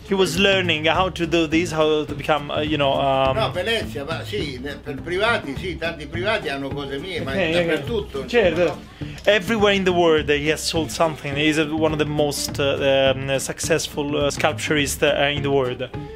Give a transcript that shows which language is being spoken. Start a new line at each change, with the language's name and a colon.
English: He was learning how to do this, how to become, you know...
Italian: No, Venezia, ma sì, per privati, sì, tanti privati hanno cose mie, okay, ma okay. Dappertutto. Certo. Insomma, no?
English: Everywhere in the world he has sold something. He's one of the most successful sculpturists in the world.